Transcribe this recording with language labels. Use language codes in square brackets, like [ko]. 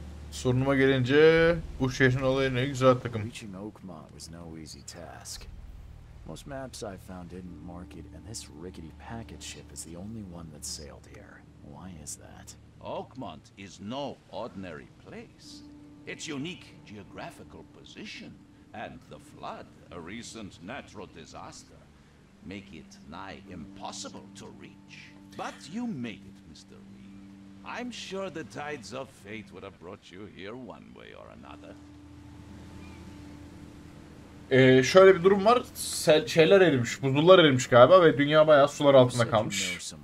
[tr] Sorunuma gelince, bu şehrin olayı ne güzel takım. [en] Reaching Oakmont was no easy task. Most maps I found didn't mark it, and this rickety packet ship is the only one that sailed here. Why is that? Oakmont is no ordinary place. Its unique geographical position and the flood, a recent natural disaster, make it nigh impossible to reach. But you made it, Mr. Reed. I'm sure the tides of fate would have brought you here one way or another. [tr] Şöyle bir durum var. Şeyler erimiş, buzullar erimiş galiba ve dünya bayağı sular altında kalmış.